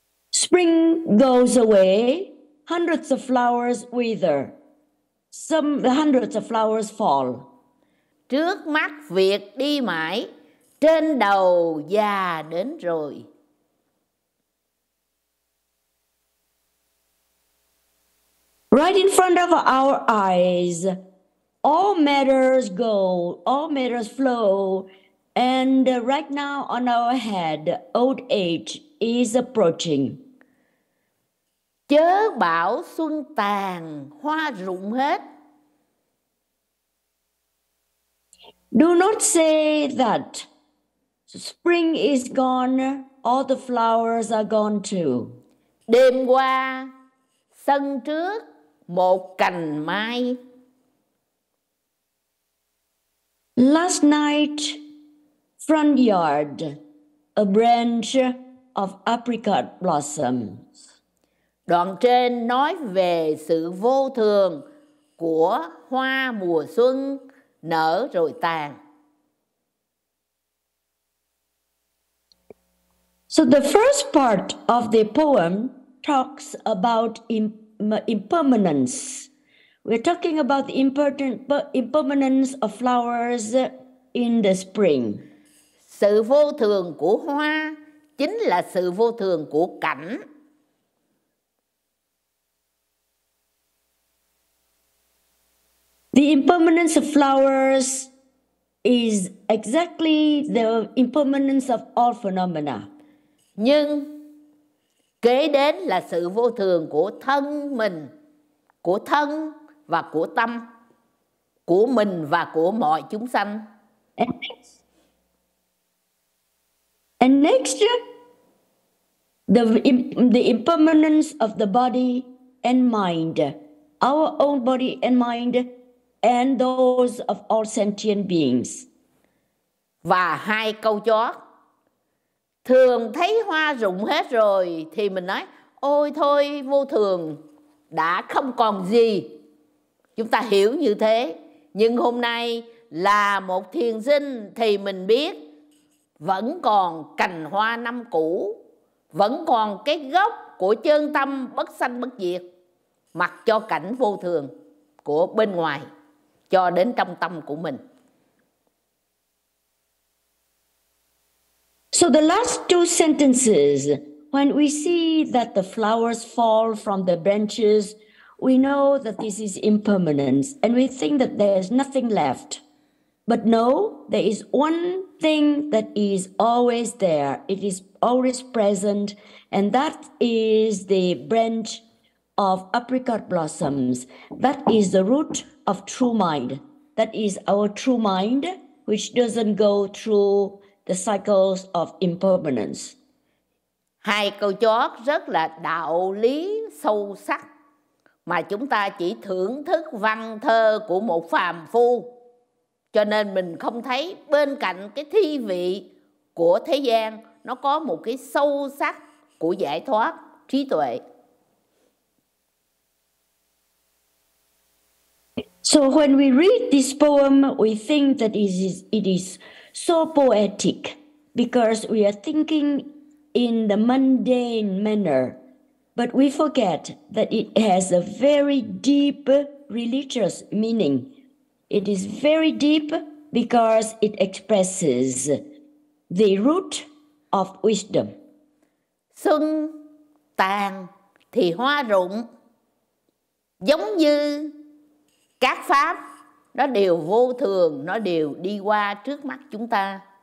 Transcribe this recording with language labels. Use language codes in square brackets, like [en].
[en] Spring goes away. Hundreds of flowers wither. Some hundreds of flowers fall. [vi] Trước mắt việc đi mãi, trên đầu già đến rồi. [en] Right in front of our eyes, all matters go, all matters flow, and right now on our head, old age is approaching. [vi] Chớ bảo xuân tàn, hoa rụng hết. [en] Do not say that spring is gone, all the flowers are gone too. [vi] Đêm qua, sân trước, một cành mai. [en] Last night, front yard, a branch of apricot blossoms. [vi] Đoạn trên nói về sự vô thường của hoa mùa xuân nở rồi tàn. [en] So the first part of the poem talks about impermanence. We're talking about the impermanence of flowers in the spring. [vi] Sự vô thường của hoa chính là sự vô thường của cảnh [en] The impermanence of flowers is exactly the impermanence of all phenomena. [vi] Nhưng kế đến là sự vô thường của thân mình, của thân và của tâm, của mình và của mọi chúng sanh. [en] And next, the impermanence of the body and mind, our own body and mind, and those of all sentient beings. [vi] Và hai câu chót. Thường thấy hoa rụng hết rồi thì mình nói, ôi thôi vô thường, đã không còn gì. Chúng ta hiểu như thế. Nhưng hôm nay là một thiền sinh thì mình biết vẫn còn cành hoa năm cũ, vẫn còn cái gốc của chân tâm bất sanh bất diệt, mặc cho cảnh vô thường của bên ngoài cho đến trong tâm của mình. [en] So the last two sentences, when we see that the flowers fall from the branches, we know that this is impermanence and we think that there's nothing left. But no, there is one thing that is always there. It is always present, and that is the branch of apricot blossoms. That is the root of true mind. That is our true mind, which doesn't go through the cycles of impermanence. [vi] Hai câu chót rất là đạo lý sâu sắc mà chúng ta chỉ thưởng thức văn thơ của một phàm phu. Cho nên mình không thấy bên cạnh cái thi vị của thế gian nó có một cái sâu sắc của giải thoát trí tuệ. [en] So when we read this poem, we think that it is so poetic because we are thinking in the mundane manner, but we forget that it has a very deep religious meaning. It is very deep because it expresses the root of wisdom. [vi] Xuân tàn thì hoa rụng, giống như các pháp, nó đều vô thường, nó đều đi qua trước mắt chúng ta.